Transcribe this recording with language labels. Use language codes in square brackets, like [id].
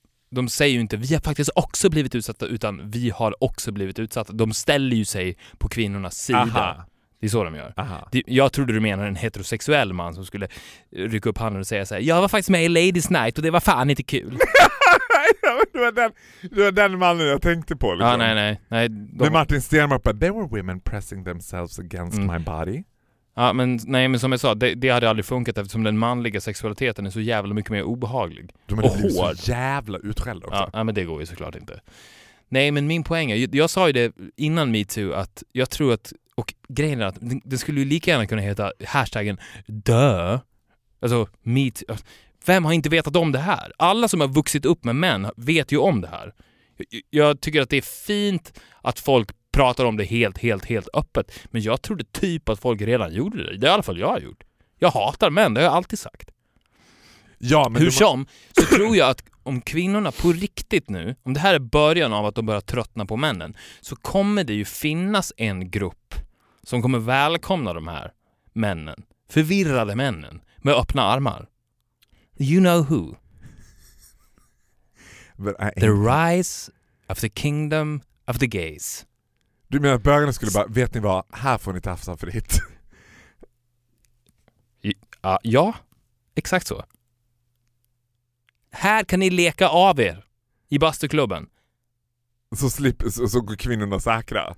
[sv] De säger ju inte, vi har faktiskt också blivit utsatta, utan vi har också blivit utsatta. De ställer ju sig på kvinnornas sida. Aha. Det är så de gör. Aha. Jag trodde du menade en heterosexuell man som skulle rycka upp handen och säga så här, jag var faktiskt med i Ladies Night och det var fan inte kul. Det var den mannen jag tänkte på. Liksom. Ja, nej. [en] Martin Stenmark, but there were women pressing themselves against my body. [sv] Ja, men nej, men som jag sa, det hade aldrig funkat eftersom den manliga sexualiteten är så jävla mycket mer obehaglig. Du menar, och hård. Så jävla utskälld också. Ja, men det går ju såklart inte. Nej, men min poäng är, jag sa ju det innan MeToo, att jag tror att, och grejen är att det skulle ju lika gärna kunna heta hashtaggen dö. Alltså, MeToo. Vem har inte vetat om det här? Alla som har vuxit upp med män vet ju om det här. Jag tycker att det är fint att folk pratar om det helt öppet. Men jag trodde typ att folk redan gjorde det. Det är i alla fall jag har gjort. Jag hatar män, det har jag alltid sagt. Ja, men hur som, så tror jag att om kvinnorna på riktigt nu, om det här är början av att de börjar tröttna på männen, så kommer det ju finnas en grupp som kommer välkomna de här männen. Förvirrade männen med öppna armar. [en] You know who? The rise of the kingdom of the gays. [sv] Du menar att bögarna skulle bara, vet ni vad, här får ni tafsa fritt. Ja, exakt så. Här kan ni leka av er i bastuklubben. Så går kvinnorna säkra.